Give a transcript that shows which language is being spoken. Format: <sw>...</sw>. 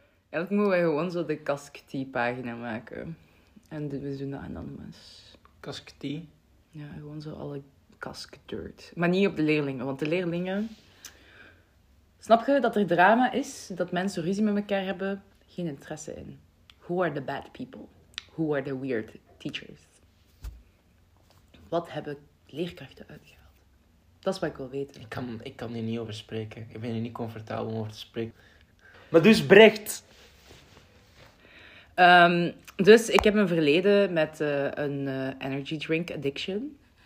<nl>Eigenlijk moeten wij gewoon zo de kask-tea-pagina maken. En we doen dat anonymous. Kask-tea? Ja, gewoon zo alle kask-dirt. Maar niet op de leerlingen, want de leerlingen... Snap je dat er drama is? Dat mensen ruzie met elkaar hebben? Geen interesse in.</nl> <en>Who are the bad people? Who are the weird teachers?</en> <nl>Wat hebben leerkrachten uitgehaald? Dat is wat ik wil weten. Ik kan hier niet over spreken. Ik ben hier niet comfortabel om over te spreken. Maar dus Brecht. Dus ik heb een verleden met een energy drink addiction.</nl>